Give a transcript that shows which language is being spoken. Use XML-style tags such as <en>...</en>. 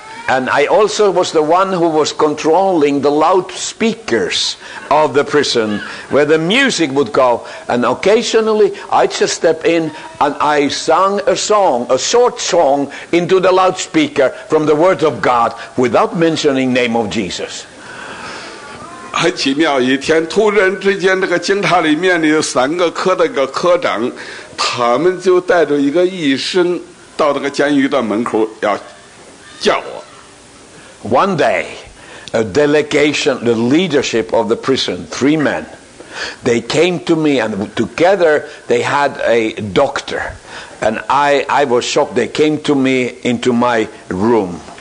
<en>And I also was the one who was controlling the loudspeakers of the prison where the music would go. And occasionally I just step in and I sang a song, a short song, into the loudspeaker from the Word of God without mentioning the name of Jesus.</en> <zh>很奇妙，一天突然之间，那个警察里面的三个科的一个科长，他们就带着一个医生到那个监狱的门口要叫我。</zh> <en>One day, a delegation, the leadership of the prison, three men, they came to me and together they had a doctor. And I was shocked. They came to me into my room.</en>